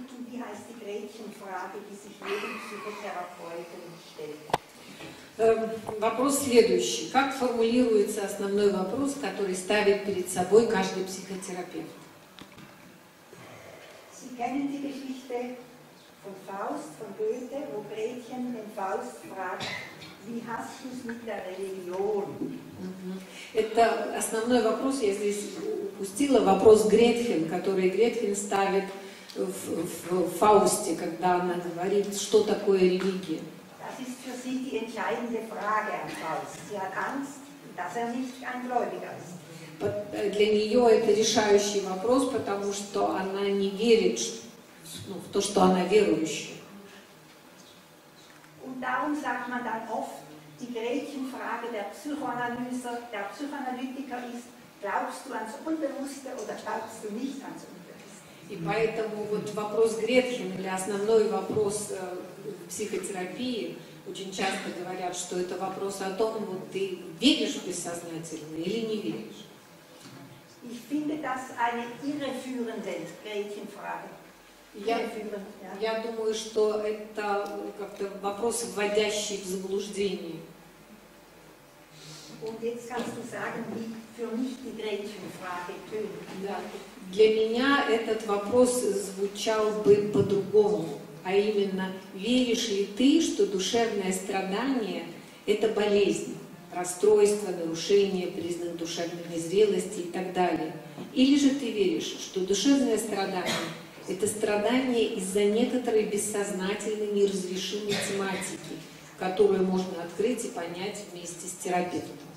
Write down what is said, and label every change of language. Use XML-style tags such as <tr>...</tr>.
<de>Wie heißt die Gretchenfrage, die sich jedem Psychotherapeuten stellt?</de> <ru>Вопрос следующий. Как формулируется основной вопрос, который ставит перед собой каждый психотерапевт?</ru> <de>Sie kennen die Geschichte von Faust, von Goethe, wo Gretchen den Faust fragt, wie hast du es mit der Religion?</de> <ru>Это основной вопрос, я здесь упустила, вопрос Гретхен, который Гретхен ставит в Фаусте, когда она говорит, что такое религия.</ru> <de>Das ist für sie die entscheidende Frage an Faust. Sie hat Angst, dass nicht ein Gläubiger ist.</de> <ru>Для нее это решающий вопрос, потому что она не верит в то, что она верующая.</ru> <de>Und darum sagt man dann oft, die Gretchenfrage der Psychoanalytiker ist, glaubst du ans Unbewusste oder glaubst du nicht ans Unbewusste?</de> <ru>И поэтому вот вопрос Гретхен, или основной вопрос психотерапии, очень часто говорят, что это вопрос о том, вот ты веришь в бессознательное или не веришь.</ru> <de>Ich finde das eine irreführende Gretchenfrage.</de> <ru>Я думаю, что это как-то вопрос, вводящий в заблуждение.</ru> <de>Und jetzt kannst du sagen, wie für mich die Gretchenfrage tönt.</de> <ru>Да. Для меня этот вопрос звучал бы по-другому. А именно, веришь ли ты, что душевное страдание – это болезнь, расстройство, нарушение, признак душевной незрелости и так далее? Или же ты веришь, что душевное страдание – это страдание из-за некоторой бессознательной неразрешимой тематики, которую можно открыть и понять вместе с терапевтом?</ru>